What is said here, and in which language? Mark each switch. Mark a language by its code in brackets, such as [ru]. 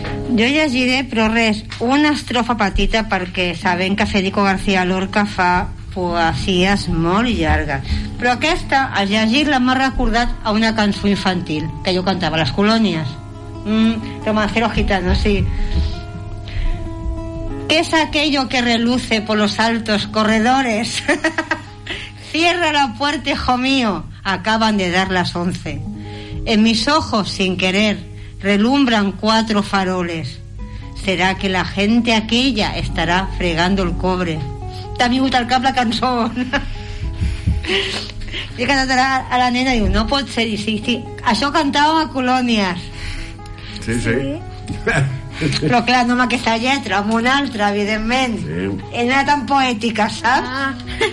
[ca] Jo llegiré, però res, una estrofa petita, perquè sabem que Federico García Lorca fa poesies molt llargues. Però aquesta, al llegir-la, m'ha recordat a una cançó infantil que jo cantava, Les colònies. Romancero gitano, sí. [es] ¿Qué es aquello que reluce por los altos corredores? Cierra la puerta, hijo mío. Acaban de dar las 11. En mis ojos, sin querer, relumbran 4 faroles. ¿Será que la gente aquella estará fregando el cobre? [ca] També m'ha agradat el cap la cançó. He cantat a la nena i diu, no pot ser, sí. Això cantava a colònies. Sí. Però clar, no amb aquesta lletra, amb una altra, evidentment. Sí. No era tan poètica, saps?